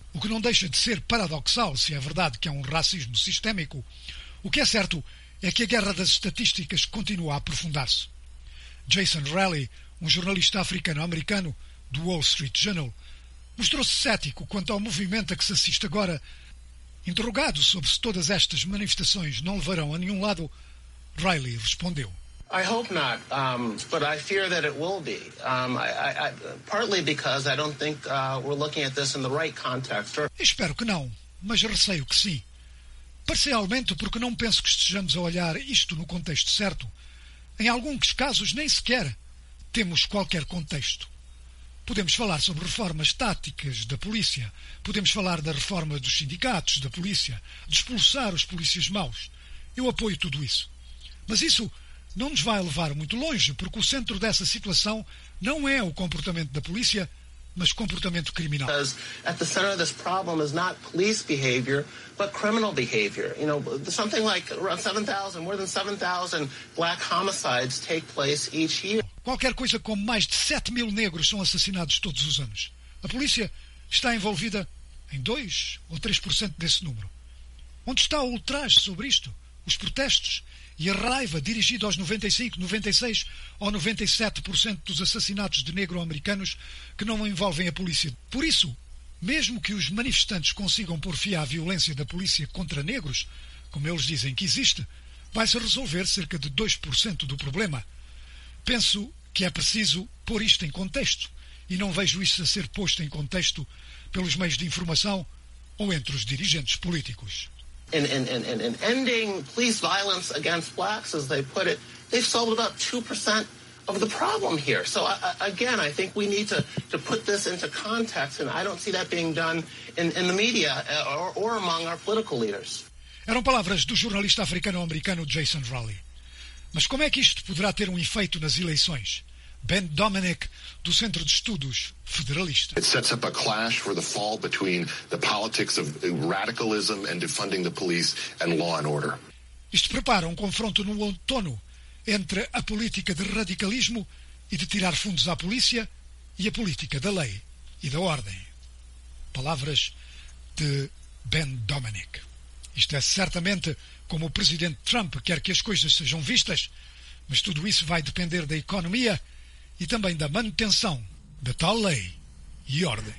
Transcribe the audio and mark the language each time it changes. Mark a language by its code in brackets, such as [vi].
[pt] O que não deixa de ser paradoxal, se é verdade que é um racismo sistémico, o que é certo é que a guerra das estatísticas continua a aprofundar-se. Jason Riley, um jornalista africano-americano do Wall Street Journal, mostrou-se cético quanto ao movimento a que se assiste agora. Interrogado sobre se todas estas manifestações não levarão a nenhum lado, Riley respondeu: [en] I hope not, but I fear that it will be. Partly because I don't think we're looking at this in the right context. [pt] Espero que não, mas receio que sim. Parcialmente porque não penso que estejamos a olhar isto no contexto certo. Em alguns casos nem sequer temos qualquer contexto. Podemos falar sobre reformas táticas da polícia, podemos falar da reforma dos sindicatos da polícia, de expulsar os polícias maus. Eu apoio tudo isso. Mas isso não nos vai levar muito longe, porque o centro dessa situação não é o comportamento da polícia, mas comportamento criminal. [en] Because at the center of this problem is not police behavior, but criminal behavior. You know, something like around 7,000, more than 7,000 black homicides take place each year. [pt] Qualquer coisa como mais de 7 mil negros são assassinados todos os anos. A polícia está envolvida em 2 ou 3% desse número. Onde está o ultraje sobre isto? Os protestos? E a raiva dirigida aos 95%, 96% ou 97% dos assassinatos de negro-americanos que não envolvem a polícia. Por isso, mesmo que os manifestantes consigam pôr fim à violência da polícia contra negros, como eles dizem que existe, vai-se resolver cerca de 2% do problema. Penso que é preciso pôr isto em contexto, e não vejo isso a ser posto em contexto pelos meios de informação ou entre os dirigentes políticos. [en] In ending police violence against blacks, as they put it, they've solved about 2% of the problem here. So again, I think we need to put this into context, and I don't see that being done in the media or among our political leaders. [pt] Eram palavras do jornalista africano-americano Jason Riley. Mas como é que isto poderá ter um efeito nas eleições? Ben Dominic, do Centro de Estudos Federalista. [en] It sets up a clash for the fall between the politics of radicalism and defunding the police and law and order. [pt] Isto prepara um confronto no outono entre a política de radicalismo e de tirar fundos à polícia e a política da lei e da ordem. Palavras de Ben Dominic. Isto é certamente como o presidente Trump quer que as coisas sejam vistas, mas tudo isso vai depender da economia e também da manutenção da tal lei e ordem.